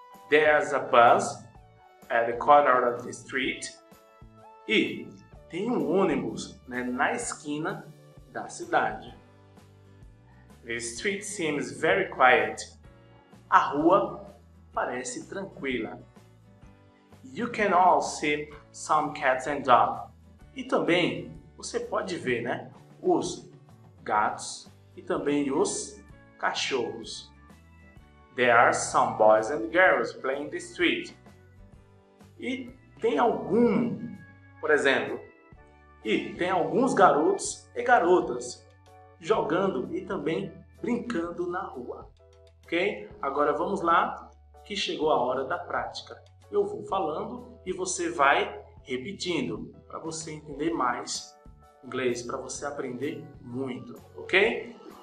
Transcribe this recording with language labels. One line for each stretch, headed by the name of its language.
English: There's a bus at the corner of the street.
Portuguese: E tem um ônibus, né, na esquina da cidade.
English: The street seems very quiet.
Portuguese: A rua parece tranquila.
English: You can all see some cats and dogs.
Portuguese: E também você pode ver, né, os gatos e também os cachorros.
English: There are some boys and girls playing the street.
Portuguese: E tem algum, por exemplo, e tem alguns garotos e garotas jogando e também brincando na rua. Ok? Agora vamos lá, que chegou a hora da prática. Eu vou falando e você vai repetindo para você entender mais inglês, para você aprender muito, ok?